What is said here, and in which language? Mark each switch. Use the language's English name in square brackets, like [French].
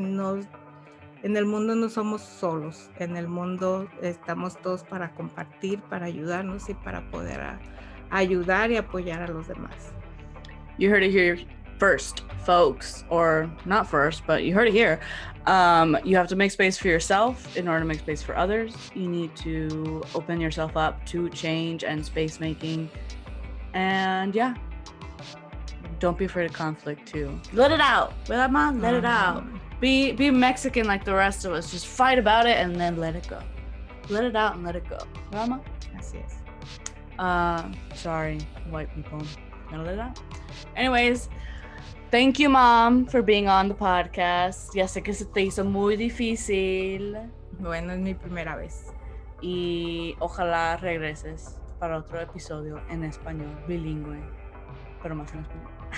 [Spanish] No, en el mundo no somos solos, en el mundo estamos todos para compartir, para ayudarnos y para poder ayudar y apoyar a los demás. [English] You heard it here first, folks, or not first, but you heard it here. You have to make space for yourself in order to make space for others. You need to open yourself up to change and space making. And yeah, don't be afraid of conflict too. Let it out, [Spanish] ¿verdad, ma? [English] Let it out. Be Mexican like the rest of us. Just fight about it and then let it go. Let it out and let it go. [Spanish] ¿Verdad, ma? Así es. [English] Sorry, white people. Gotta let it out. Anyways, thank you, mom, for being on the podcast. [Spanish] Ya sé que se te hizo muy difícil. Bueno, es mi primera vez. Y ojalá regreses para otro episodio en español, bilingüe, pero más en español.